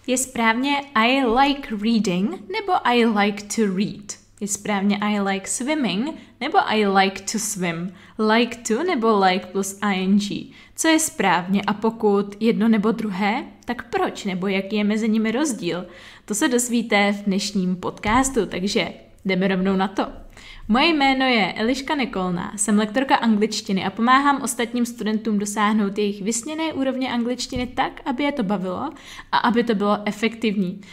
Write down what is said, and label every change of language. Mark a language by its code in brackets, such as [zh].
[cs] je správně [en] I like reading [cs] nebo [en] I like to read? [cs] Je správně [en] I like swimming [cs] nebo [en] I like to swim? [cs] Like to nebo like plus ing? Co je správně a pokud jedno nebo druhé, tak proč nebo jaký je mezi nimi rozdíl? To se dozvíte v dnešním podcastu, takže jdeme rovnou na to. Moje jméno je Eliška Nekolná, jsem lektorka angličtiny a pomáhám ostatním studentům dosáhnout jejich vysněné úrovně angličtiny tak, aby je to bavilo a aby to bylo efektivní.